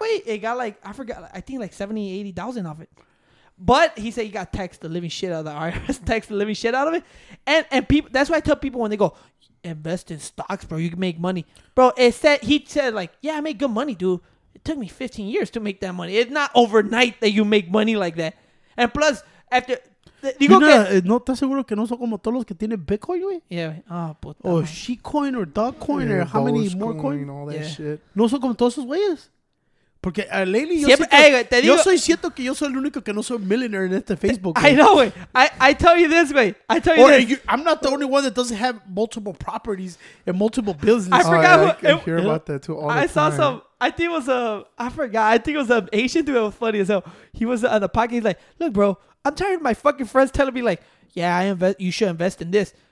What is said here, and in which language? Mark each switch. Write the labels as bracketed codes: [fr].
[en] Wait, it got like I forgot. I think like 70,000-80,000 of it. But he said he got taxed the living shit out of the IRS, taxed the living shit out of it, and people. That's why I tell people when they go invest in stocks, bro, you can make money, bro. He said like, yeah, I make good money, dude. It took me 15 years to make that money. It's not overnight that you make money like that. And plus, after... [es] Digo mira, que, ¿no estás seguro que no son como todos los que tienen Bitcoin, güey? [en] Yeah. Oh, puta. Or Sheetcoin or Dogcoin or how many more coin? All that shit. [es] ¿No son como todos esos güeyes? Porque lately yo siento que yo soy el único que no soy millionaire en este Facebook. [en] I know, güey. I tell you this, güey. I tell you or this. I'm not the only one that doesn't have multiple properties and multiple businesses. I forgot. I hear about that too all the time. I saw some... I think it was an Asian dude that was funny as hell. He was on the podcast. He's like, look, bro, I'm tired of my fucking friends telling me like, yeah, you should invest in this.